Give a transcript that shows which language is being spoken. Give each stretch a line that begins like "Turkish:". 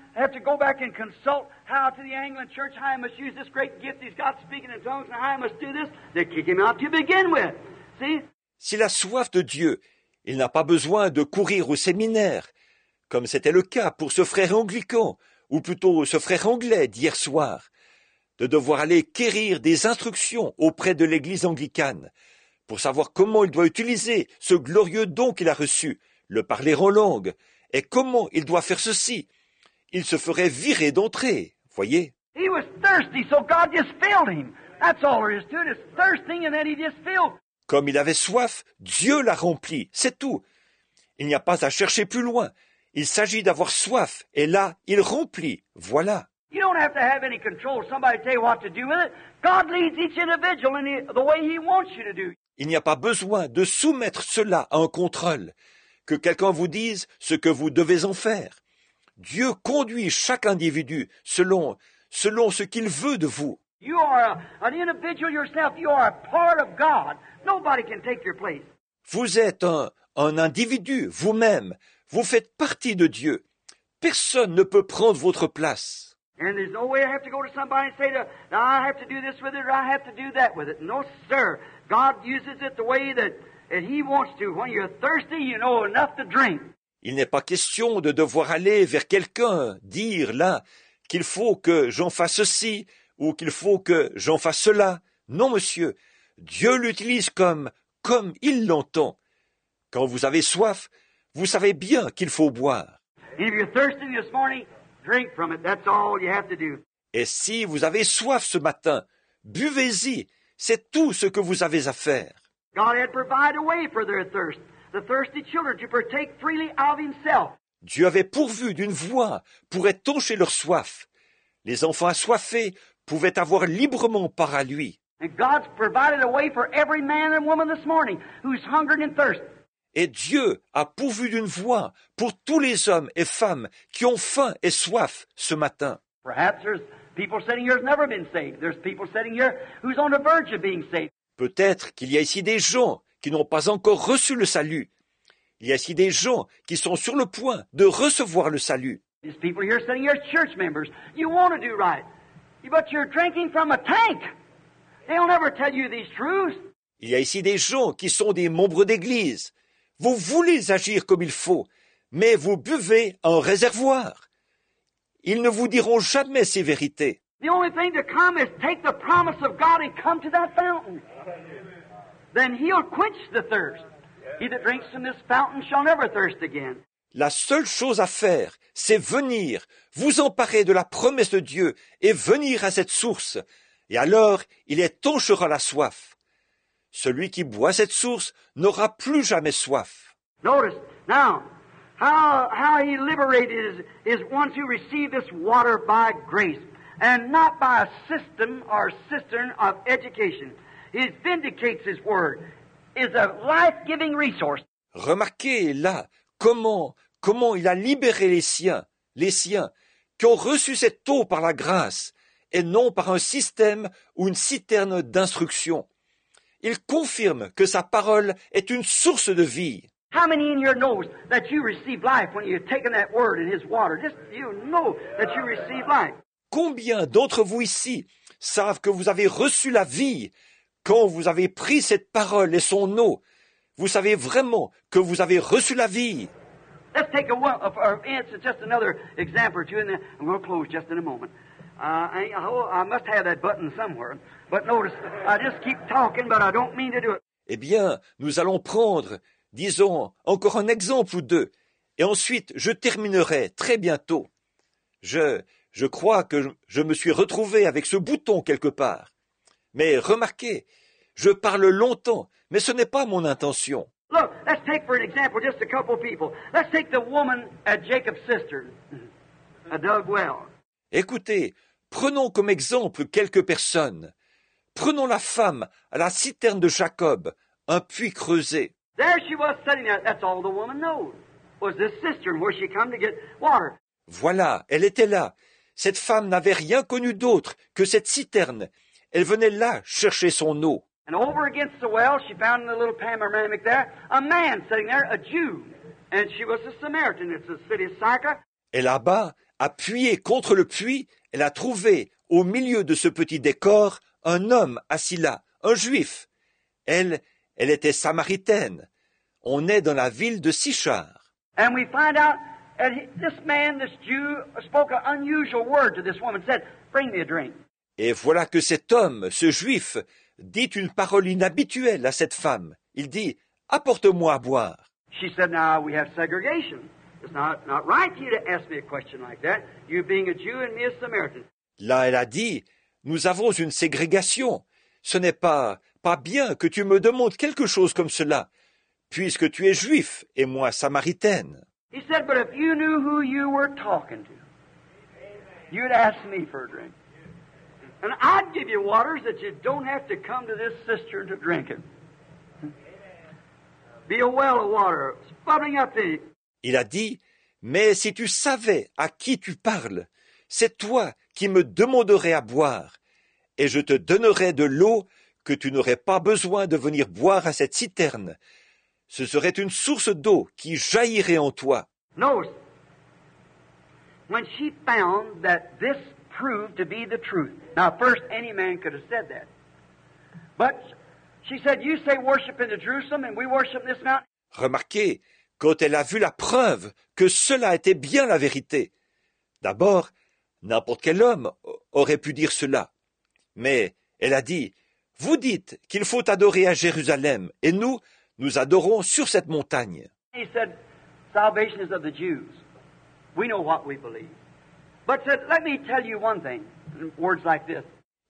English: Have to go back and consult how to the Anglican church, how I must use this great gift he's got speaking in tongues, and how I must do this. They kick him out to begin with. See?
French: S'il a soif de Dieu, il n'a pas besoin de courir au séminaire, comme c'était le cas pour ce frère anglican, ou plutôt ce frère anglais d'hier soir, de devoir aller quérir des instructions auprès de l'église anglicane pour savoir comment il doit utiliser ce glorieux don qu'il a reçu, le parler en langue, et comment il doit faire ceci. Il se ferait virer d'entrée, voyez.
English: He was thirsty, so God just filled him. That's all there is to it. It's thirsting and then he just filled.
French: Comme il avait soif, Dieu l'a rempli, c'est tout. Il n'y a pas à chercher plus loin. Il s'agit d'avoir soif, et là, il remplit. Voilà.
English: You don't have to have any control. Somebody tell you what to do with it. God leads each individual in the way he wants you to do.
French: Il n'y a pas besoin de soumettre cela à un contrôle, que quelqu'un vous dise ce que vous devez en faire. Dieu conduit chaque individu selon ce qu'il veut de vous.
English: You are an individual yourself. You are a part of God. Nobody can take your place.
French: Vous êtes un individu vous-même. Vous faites partie de Dieu. Personne ne peut prendre votre place.
English: And there's no way I have to go to somebody and say, now I have to do this with it, or I have to do that with it. No, sir. God uses it the way that he wants to. When you're thirsty, you know enough to drink.
French: Il n'est pas question de devoir aller vers quelqu'un, dire là, qu'il faut que j'en fasse ceci, ou qu'il faut que j'en fasse cela. Non, monsieur. Dieu l'utilise comme il l'entend. Quand vous avez soif, vous savez bien qu'il faut boire.
English: And if you're thirsty this morning, drink from it. That's all you have to do.
French: Et si vous avez soif ce matin, buvez-y. C'est tout ce que vous avez à faire.
English: God had provided a way for their thirst. The thirsty children to partake freely of himself.
French: Dieu avait pourvu d'une voie pour étancher leur soif. Les enfants assoiffés pouvaient avoir librement part à lui.
English: And God's provided a way for every man and woman this morning who's hungering and thirst.
French: Et Dieu a pourvu d'une voie pour tous les hommes et femmes qui ont faim et soif ce matin.
English: Perhaps there's people sitting here who's never been saved. There's people sitting here who's on the verge of being saved.
French: Peut-être qu'il y a ici des gens qui n'ont pas encore reçu le salut. Il y a ici des gens qui sont sur le point de recevoir le salut.
English: These people here sitting here are church members. You want to do right. But you're drinking from a tank. They'll never tell you these truths.
French: Il y a ici des gens qui sont des membres d'église. Vous voulez agir comme il faut, mais vous buvez un réservoir. Ils ne vous diront jamais ces vérités.
English: The only thing to come is take the promise of God and come to that fountain. Then he'll quench the thirst. He that drinks from this fountain shall never thirst again.
French: La seule chose à faire, c'est venir, vous emparer de la promesse de Dieu et venir à cette source. Et alors, il étanchera la soif. Celui qui boit cette source n'aura plus jamais soif.
English: Notice now how he liberated is ones who receive this water by grace and not by a system or cistern of education. He vindicates his word is a life-giving resource.
French: Remarquez là comment il a libéré les siens qui ont reçu cette eau par la grâce et non par un système ou une citerne d'instruction. Il confirme que sa parole est une source de vie.
English: How many in here knows that you receive life when you've taken that word in his water? Just you know that you receive life.
French: Combien d'entre vous ici savent que vous avez reçu la vie quand vous avez pris cette parole et son eau? Vous savez vraiment que vous avez reçu la vie?
English: Let's take just another example or two, and then we'll close just in a moment. I must have that button somewhere. But notice, I just keep talking, but I don't mean to do it.
French: Eh bien, nous allons prendre, disons, encore un exemple ou deux, et ensuite je terminerai très bientôt. Je crois que je me suis retrouvé avec ce bouton quelque part. Mais remarquez, je parle longtemps, mais ce n'est pas mon intention.
English: Look, let's take for an example just a couple people. Let's take the woman at Jacob's cistern, a dug well.
French: Écoutez, prenons comme exemple quelques personnes. Prenons la femme à la citerne de Jacob, un puits creusé.
English: There she was sitting there. That's all the woman knows. Was this cistern where she came to get water?
French: Voilà, elle était là. Cette femme n'avait rien connu d'autre que cette citerne. Elle venait là chercher son eau.
English: And over against the well, she found in the little panoramic there a man sitting there, a Jew, and she was a Samaritan. It's the city of Sychar.
French: Et là-bas, appuyée contre le puits, elle a trouvé au milieu de ce petit décor un homme assis là, un juif. Elle était samaritaine. On est dans la ville de Sychar.
English: And we find out that this man, this Jew, spoke an unusual word to this woman, said, "Bring me a drink."
French: Et voilà que cet homme, ce juif, dit une parole inhabituelle à cette femme. Il dit, "Apporte-moi à boire."
English: She said, "Now we have segregation. It's not right for you to ask me a question like that, you being a Jew and me a Samaritan."
French: Là, elle a dit, nous avons une ségrégation. Ce n'est pas bien que tu me demandes quelque chose comme cela, puisque tu es juif et moi samaritaine.
English: He said, "But if you knew who you were talking to, you'd ask me for a drink. And I'd give you waters that you don't have to come to this cistern to drink it. Be a well of water, bubbling up in you."
French: Il a dit, mais si tu savais à qui tu parles, c'est toi qui me demanderais à boire, et je te donnerais de l'eau que tu n'aurais pas besoin de venir boire à cette citerne. Ce serait une source d'eau qui jaillirait en toi.
English: Notice, when she found that this proved to be the truth. Now, first, any man could have said that. But she said, "You say worship in the Jerusalem, and we worship this mountain."
French: Remarquez, quand elle a vu la preuve que cela était bien la vérité. D'abord, n'importe quel homme aurait pu dire cela. Mais elle a dit, « Vous dites qu'il faut adorer à Jérusalem, et nous, nous adorons sur cette montagne. »
English: He said, « Salvation is of the Jews. We know what we believe. But said, let me tell you one thing, words like this. »